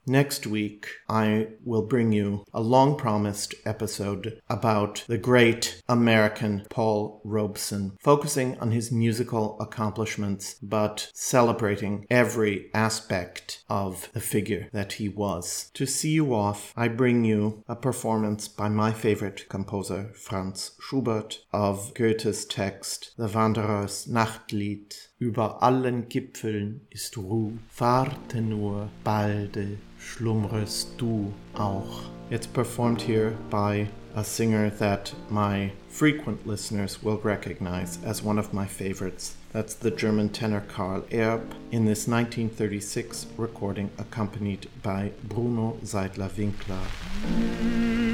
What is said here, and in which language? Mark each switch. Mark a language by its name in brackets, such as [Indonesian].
[English] Next week, I will bring you a long-promised episode about the great American Paul Robeson, focusing on his musical accomplishments, but celebrating every aspect of the figure that he was. To see you off, I bring you a performance by my favorite composer, Franz Schubert, of Goethe's text, The Wanderer's Nachtlied. [German] Über allen Gipfeln ist Ruh, warte nur, balde, schlummerst du auch. [English] It's performed here by a singer that my frequent listeners will recognize as one of my favorites. That's the German tenor Karl Erb in this 1936 recording accompanied by Bruno Seidler-Winkler.